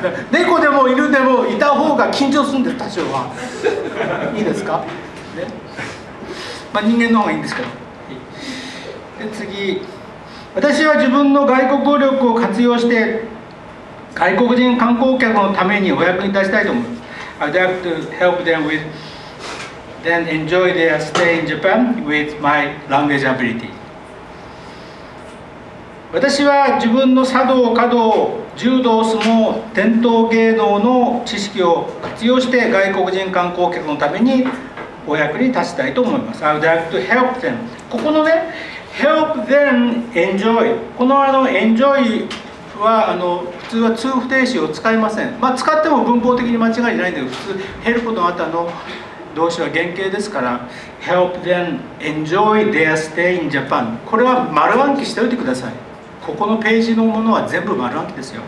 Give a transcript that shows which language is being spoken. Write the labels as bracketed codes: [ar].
[ja] 猫でも犬でもいた方が緊張するんです、多少は。いいですか、ね、まあ、人間の方がいいんですけど。で、次。私は自分の外国語力を活用して、外国人観光客のためにお役に立ちたいと思います。 [en] I'd like to help them with... Then enjoy their stay in Japan with my language ability. [ja] 私は自分の茶道、華道、柔道、相撲、伝統芸能の知識を活用して外国人観光客のためにお役に立ちたいと思います。 [en] I would like to help them. [ja] ここのね、 [en] help them enjoy。 [ja] このあの enjoy はあの普通は通不定詞を使いません。まあ、使っても文法的に間違いじゃないんだけど、普通 help の後の動詞は原型ですから、 [en] help them enjoy their stay in Japan。 [ja] これは丸暗記しておいてください。ここのページのものは全部丸暗記ですよ。